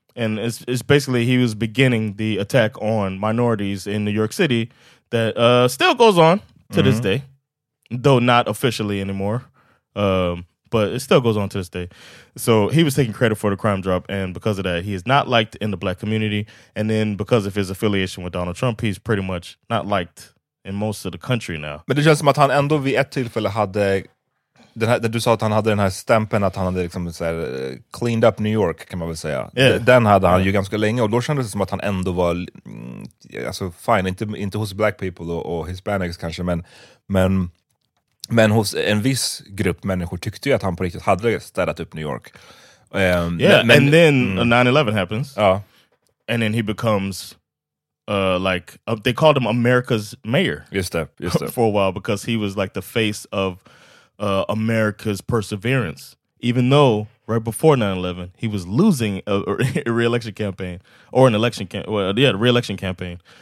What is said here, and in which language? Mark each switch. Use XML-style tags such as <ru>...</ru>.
<en>And it's basically he was beginning the attack on minorities in New York City that still goes on to this day, though not officially anymore. But it still goes on to this day. So he was taking credit for the crime drop. And because of that, he is not liked in the black community. And then because of his affiliation with Donald Trump, he's pretty much not liked in most of the country now.</en> <sv>Men det känns som att han ändå vid ett tillfälle hade den här, där du sa att han hade den här stämpeln, att han hade liksom så här,</sv> <en>cleaned up New York,</en> <sv>kan man väl säga.</sv> <en>Yeah.</en> <sv>Den hade han ju ganska länge. Och då kändes det som att han ändå var, alltså fine, inte hos</sv> <en>black people</en> <sv>och Hispanics kanske, men hos en viss grupp människor tyckte ju att han på riktigt hade städat upp New York.</sv> <en>And then 9/11 happens. And then he becomes they called him America's mayor. Just that. For a while, because he was like the face of America's perseverance. Even though right before 9/11 he was losing a re-election campaign re-election campaign.</en>